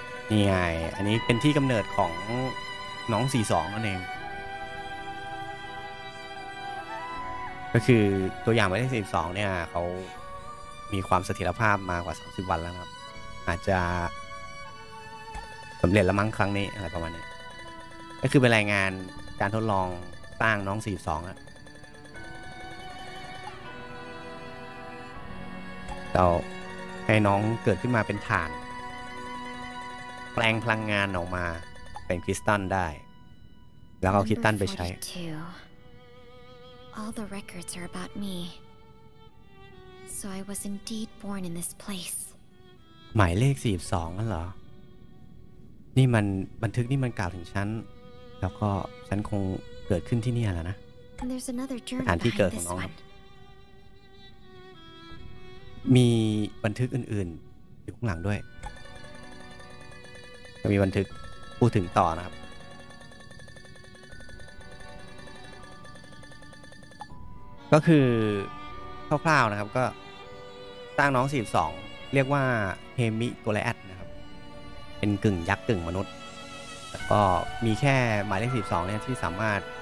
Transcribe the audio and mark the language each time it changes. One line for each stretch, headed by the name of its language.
Thai: นี่ไงอันนี้เป็นที่กำเนิดของน้อง42นั่นเองก็คือตัวอย่างไม่ได้42เนี่ยเขามีความเสถียรภาพมากว่า30วันแล้วครับอาจจะสำเร็จแล้วมั้งครั้งนี้อะไรประมาณนี้ก็คือเป็นรายงานการทดลองสร้างน้อง42อ่ะ เราให้น้องเกิดขึ้นมาเป็นฐานแปลงพลังงานออกมาเป็นคริสตัลได้แล้วเอาคริสตัลไปใช้
English: All the records are about me so I was indeed born in this place
Thai: หมายเลข42นั่นเหรอนี่มันบันทึกนี่มันกล่าวถึงฉันแล้วก็ฉันคงเกิดขึ้นที่นี่แล้วนะ สถานที่เกิดของน้อง มีบันทึกอื่นๆอยู่ข้างหลังด้วยมีบันทึกพูดถึงต่อนะครับก็คือคร่าวๆนะครับก็ตั้งน้อง42เรียกว่าเฮมิโกไลแอตนะครับเป็นกึ่งยักษ์กึ่งมนุษย์แล้วก็มีแค่หมายเลข42เนี่ยที่สามารถ